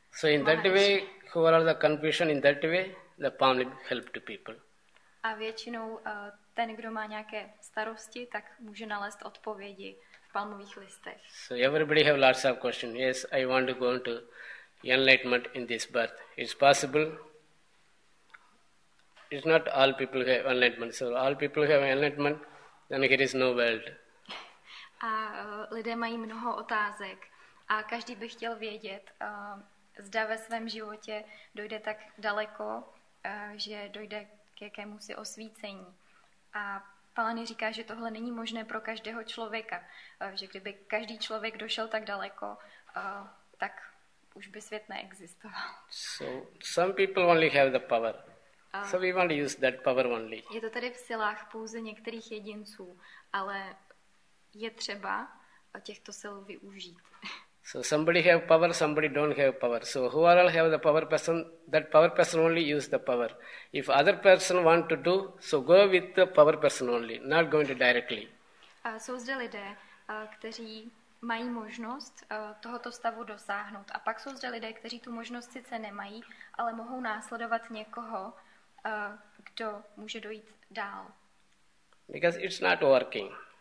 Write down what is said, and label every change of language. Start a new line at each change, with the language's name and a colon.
English: So in that way, who are the confusion in that way, the palm leaf help to people.
Czech: A většinou ten, kdo má nějaké starosti, tak může nalézt odpovědi v palmových listech.
English: So everybody have lots of questions. Yes, I want to go into enlightenment in this birth. It's possible. It's not all people have enlightenment. So all people have enlightenment, then here is no world.
Czech: A lidé mají mnoho otázek. A každý by chtěl vědět, zda ve svém životě dojde tak daleko, že dojde k jakémusi osvícení. A Palani říká, že tohle není možné pro každého člověka. Že kdyby každý člověk došel tak daleko, tak už by svět neexistoval.
English: So some people only have the power. So we want to use that power only.
Czech: Je to tady v silách pouze některých jedinců, ale je třeba těchto sil využít.
English: So somebody have power, somebody don't have power. So who all have the power person, that power person only use the power. If other person want to do, so go with the power person only, not going to directly.
Czech: Jsou zde lidé, kteří mají možnost tohoto stavu dosáhnout. A pak jsou zde lidé, kteří tu možnost sice nemají, ale mohou následovat někoho, kdo může dojít dál.
English: Because it's not working.